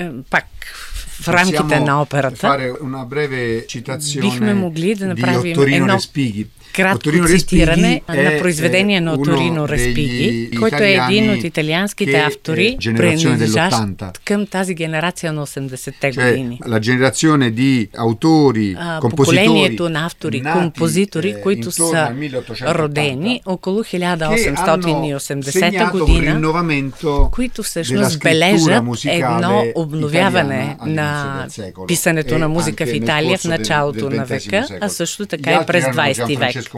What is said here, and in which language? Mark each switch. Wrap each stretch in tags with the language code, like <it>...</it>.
<bg>Пак, в рамките на операта бихме могли да направим едно кратко цитиране на произведение на Торино Респиги, който е един от италианските автори, принадлежащ към тази генерация на 80-те години.</bg> <it>La generazione di autori,</it> <bg>поколението на автори, композитори, които са родени около 1880 година, които всъщност бележат едно обновяване на писането на музика в Италия в началото на века, а също така и през 20 век.</bg>